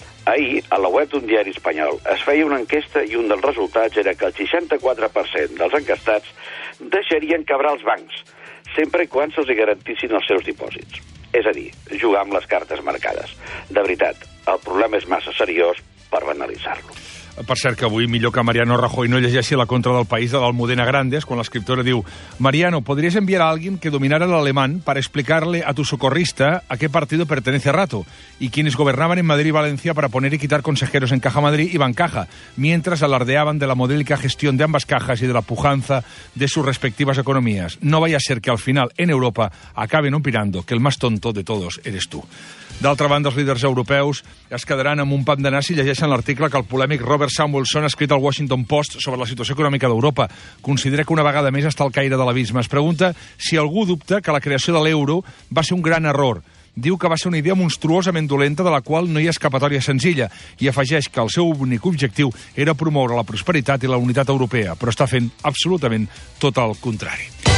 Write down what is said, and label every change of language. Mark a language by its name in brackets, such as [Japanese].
[Catalan] Ahir, a la web d'un diari espanyol, es feia una enquesta i un dels resultats era que el 64% dels enquestats deixarien quebrar els bancs, sempre i quan se'ls garantissin els seus dipòsits. És a dir, jugar amb les cartes marcades. De veritat, el problema és massa seriós per banalitzar-lo. Per cert, que avui millor que Mariano Rajoy no llegeixi la contra del País de l'Almudena Grandes, quan l'escriptora diu: [Spanish] Mariano, ¿podrías enviar a alguien que dominara l'alemán para explicarle a tu socorrista a qué partido pertenece Rato y quienes gobernaban en Madrid y Valencia para poner y quitar consejeros en Caja Madrid y Bancaja, mientras alardeaban de la modélica gestión de ambas cajas y de la pujanza de sus respectivas economías? No vaya a ser que al final en Europa acaben opinando que el más tonto de todos eres tú. [Catalan] D'altra banda, els líders europeus es quedaran amb un pam de nas si llegeixen l'article que el polèmic Robert Samuelson ha escrit al Washington Post sobre la situació econòmica d'Europa. Considera que una vegada més està al caire de l'abisme. Es pregunta si algú dubta que la creació de l'euro va ser un gran error. Diu que va ser una idea monstruosament dolenta de la qual no hi ha escapatòria senzilla, i afegeix que el seu únic objectiu era promoure la prosperitat i la unitat europea, però està fent absolutament tot el contrari.